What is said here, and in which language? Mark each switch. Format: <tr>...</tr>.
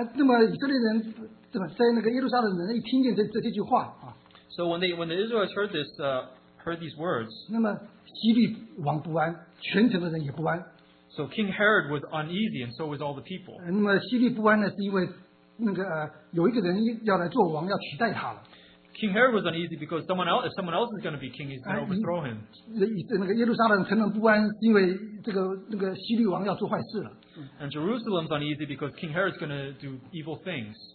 <zh>那么以色列人,在那个耶路撒冷人一听见这句话,</zh> <en>so when the Israelites heard this, heard these words,</en> <zh>那么希律王不安,全城的人也不安,</zh> <en>so King Herod was uneasy, and so was all the people.</en> <zh>那么希律不安呢,是因为有一个人要来做王,要取代他了。</zh> <en>King Herod was uneasy because if someone else is going to be king, he's going to overthrow him.</en> <zh>那个耶路撒冷城门不安，是因为这个希律王要做坏事了。</zh> <en>And Jerusalem's uneasy because King Herod's going to do evil things.</en>